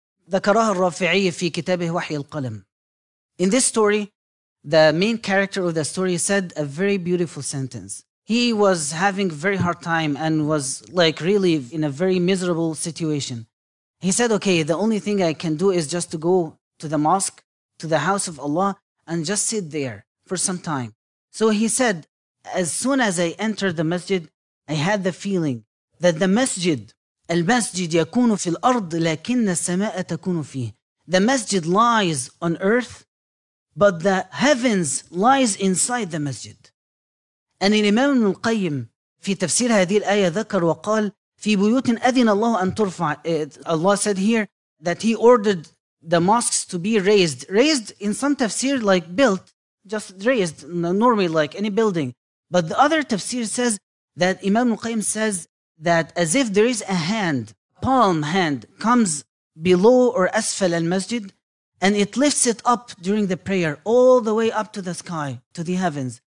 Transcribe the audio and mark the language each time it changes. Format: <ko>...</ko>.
<ar>ذكرها الرافعي في كتابه وحي القلم.</ar> <en>In this story, the main character of the story said a very beautiful sentence. He was having a very hard time and was like really in a very miserable situation. He said, okay, the only thing I can do is just to go to the mosque, to the house of Allah, and just sit there for some time. So he said, as soon as I entered the masjid, I had the feeling that the masjid,</en> <ar>المسجد يكون في الأرض لكن السماء تكون فيه.</ar> <en>The masjid lies on earth, but the heavens lies inside the masjid.</en> <ar>And in Imam Ibn al-Qayyim, في تفسير هذه الآية ذكر وقال, في بيوت أذن الله أن ترفع.</ar> <en>Allah said here that he ordered the mosques to be raised. Raised in some tafsir like built, just raised normally like any building. But the other tafsir says, that Imam Al-Qayyim says that as if there is a hand, palm hand, comes below or asfal al-masjid, and it lifts it up during the prayer, all the way up to the sky, to the heavens.</en>